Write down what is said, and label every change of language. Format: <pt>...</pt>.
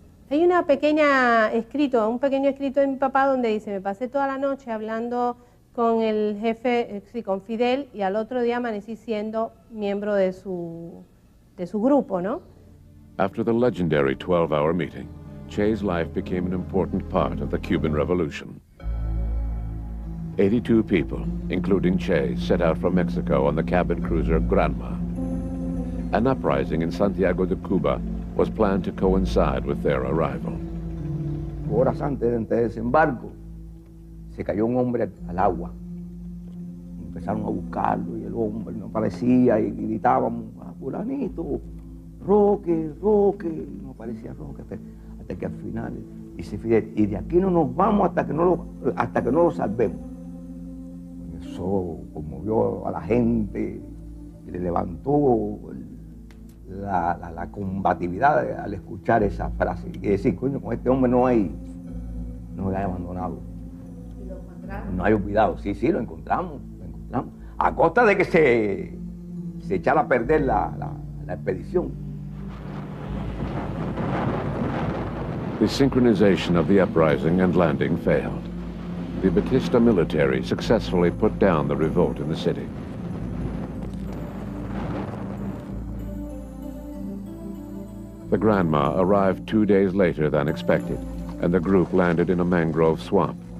<es>Hay una pequeña escrito, un pequeño escrito de mi papá donde dice, me pasé toda la noche hablando con el jefe, sí, con Fidel, y al otro día amanecí siendo miembro de su grupo, ¿no?</es> <en>After the legendary 12-hour meeting, Che's life became an important part of the Cuban Revolution. 82 people, including Che, set out from Mexico on the cabin cruiser Granma. An uprising in Santiago de Cuba was planned to coincide with their arrival.</en> <es>Horas antes de entrar en desembarco, se cayó un hombre al agua. Empezaron a buscarlo y el hombre no aparecía y gritábamos, fulanito, Roque, Roque, no aparecía Roque. Hasta que al final dice Fidel, y de aquí no nos vamos hasta que no lo salvemos. Eso conmovió a la gente, y le levantó la combatividad al escuchar esa frase. Y decir, coño, con este hombre no hay abandonado. No hay olvidado, sí, lo encontramos. A costa de que se echara a perder la expedición.</es> <en>The synchronization of the uprising and landing failed. The Batista military successfully put down the revolt in the city. The Granma arrived 2 days later than expected, and the group landed in a mangrove swamp.</en>